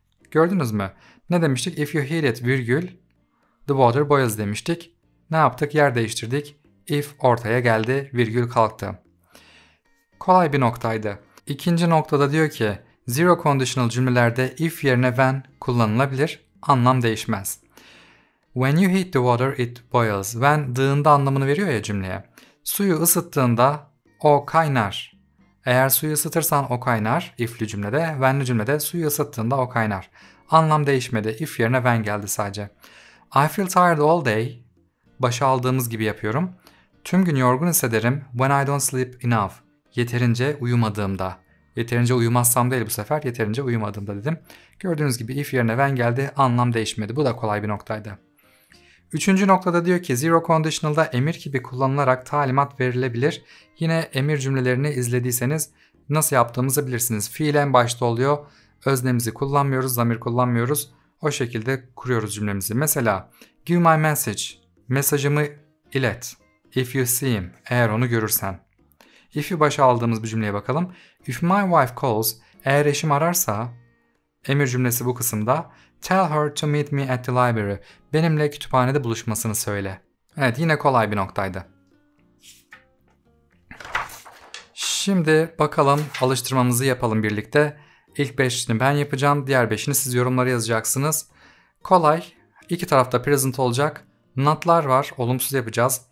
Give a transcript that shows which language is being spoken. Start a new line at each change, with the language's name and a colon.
Turkish: Gördünüz mü? Ne demiştik?
English: If you heat it,
Turkish: virgül,
English: the water boils
Turkish: demiştik. Ne yaptık? Yer değiştirdik. If ortaya geldi, virgül kalktı. Kolay bir noktaydı. İkinci noktada diyor ki, zero conditional cümlelerde if yerine when kullanılabilir. Anlam değişmez.
English: When you heat the water, it boils.
Turkish: When dığında anlamını veriyor ya cümleye. Suyu ısıttığında o kaynar. Eğer suyu ısıtırsan o kaynar. If'li cümlede, when'li cümlede suyu ısıttığında o kaynar. Anlam değişmedi. If yerine when geldi sadece.
English: I feel tired all day.
Turkish: Başa aldığımız gibi yapıyorum. Tüm gün yorgun hissederim.
English: When I don't sleep enough.
Turkish: Yeterince uyumadığımda. Yeterince uyumazsam değil bu sefer. Yeterince uyumadığımda dedim. Gördüğünüz gibi if yerine when geldi. Anlam değişmedi. Bu da kolay bir noktaydı. Üçüncü noktada diyor ki zero conditional'da emir gibi kullanılarak talimat verilebilir. Yine emir cümlelerini izlediyseniz nasıl yaptığımızı bilirsiniz. Fiil en başta oluyor. Öznemizi kullanmıyoruz, zamir kullanmıyoruz. O şekilde kuruyoruz cümlemizi.
English: Mesela give my message.
Turkish: Mesajımı ilet.
English: If you see him.
Turkish: Eğer onu görürsen. If'i başa aldığımız bir cümleye bakalım.
English: If my wife calls.
Turkish: Eğer eşim ararsa. Emir cümlesi bu kısımda.
English: Tell her to meet me at the library.
Turkish: Benimle kütüphanede buluşmasını söyle. Evet, yine kolay bir noktaydı. Şimdi bakalım alıştırmamızı yapalım birlikte. İlk 5'ini ben yapacağım. Diğer 5'ini siz yorumlara yazacaksınız. Kolay. İki tarafta present olacak. Not'lar var. Olumsuz yapacağız.